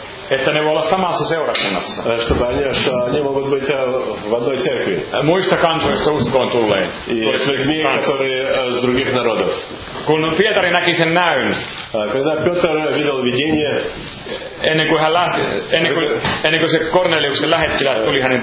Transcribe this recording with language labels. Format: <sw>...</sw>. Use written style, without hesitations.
<fi>Että ne voi olla samassa seurakunnassa.</fi> <ru>Они могут быть в одной церкви.</ru> <fi>Muista kansoista uskoon tulleen. Esimerkiksi</fi> <ru>мне, которые с других народов.</ru> <fi>Kun Pietari näki sen näyn.</fi> <ru>Когда Петр видел видение.</ru> <fi>Ennen kuin se Korneliuksen lähettilä tuli hänen</fi>